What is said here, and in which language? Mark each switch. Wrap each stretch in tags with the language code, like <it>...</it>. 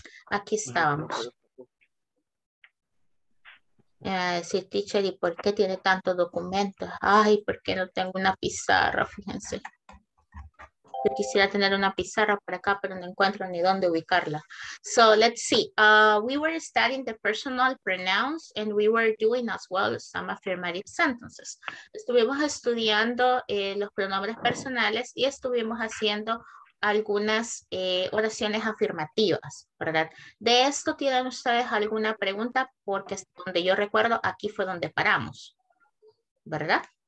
<es>Aquí estábamos. Sí, teacher, ¿y por qué tiene tantos documentos? Ay, porque no tengo una pizarra, fíjense. Yo quisiera tener una pizarra por acá, pero no encuentro ni dónde ubicarla.</es> <en>So, let's see. We were studying the personal pronouns and we were doing as well some affirmative sentences.</en> <es>Estuvimos estudiando los pronombres personales y estuvimos haciendo algunas oraciones afirmativas, ¿verdad? De esto, ¿tienen ustedes alguna pregunta? Porque donde yo recuerdo, aquí fue donde paramos, ¿verdad?</es>